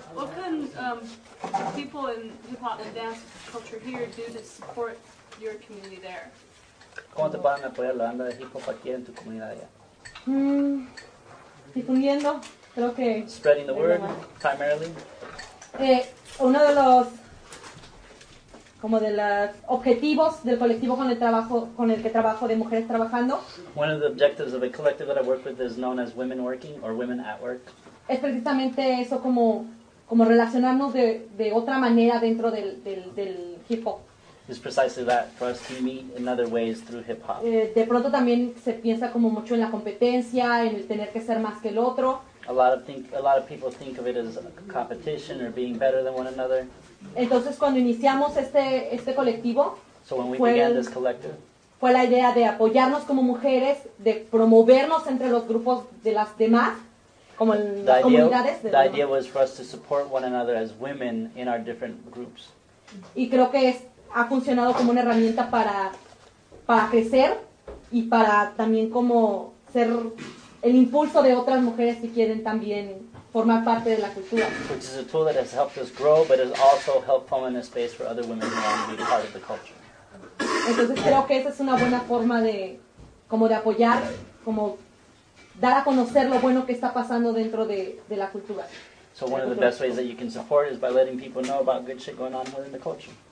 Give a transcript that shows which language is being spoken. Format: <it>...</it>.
<en>What can people in hip-hop and dance culture here do to support your community there?</en> <es>¿Cómo te pueden apoyar la banda de hip-hop aquí en tu comunidad allá? Difundiendo, creo que...</es> <en>Spreading the word, primarily.</en> <es>Uno de los... como de los objetivos del colectivo con el trabajo de Mujeres Trabajando.</es> <en>One of the objectives of the collective that I work with is known as Women Working or Women at Work.</en> <es>Es precisamente eso, como... como relacionarnos de otra manera dentro del hip hop.</es> <en>It's precisely that, for us to meet in other ways through hip hop.</en> <es>De pronto también se piensa como mucho en la competencia, en el tener que ser más que el otro.</es> <en>A lot of people think of it as a competition or being better than one another.</en> <es>Entonces cuando iniciamos este colectivo,</es> <en>so when we began this collective,</en> <es>fue la idea de apoyarnos como mujeres, de promovernos entre los grupos de las demás, como las comunidades.</es> <en>The idea was for us to support one another as women in our different groups.</en> <es>Y creo que es, ha funcionado como una herramienta para crecer y para también como ser el impulso de otras mujeres si quieren también formar parte de la cultura.</es> <en>Which is a tool that has helped us grow, but has also helped form in a space for other women who want to be part of the culture.</en> <es>Entonces creo que esa es una buena forma de como de apoyar, como dar a conocer lo bueno que está pasando dentro de la cultura.</es> <en>So one of the best ways that you can support is by letting people know about good shit going on within the culture.</en>